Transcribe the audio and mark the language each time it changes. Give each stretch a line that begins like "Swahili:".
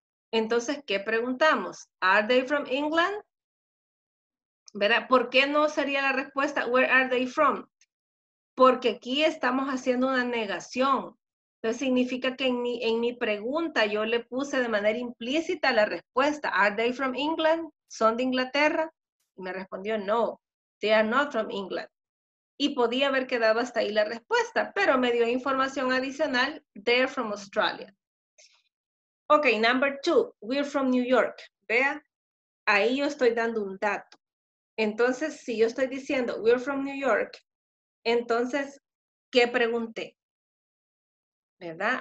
Spanish: Entonces, ¿qué preguntamos?
English: ¿Are they from England?
Spanish: ¿Verdad? ¿Por qué no sería la respuesta,
English: where are they from?
Spanish: Porque aquí estamos haciendo una negación. Entonces significa que en mi pregunta yo le puse de manera implícita la respuesta.
English: Are they from England?
Spanish: ¿Son de Inglaterra? Y me respondió,
English: no, they are not from England.
Spanish: Y podía haber quedado hasta ahí la respuesta, pero me dio información adicional,
English: they're from Australia. Ok, number two, we're from New York.
Spanish: Vea, ahí yo estoy dando un dato. Entonces, si yo estoy diciendo
English: we're from New York,
Spanish: entonces, ¿qué pregunté? ¿Verdad?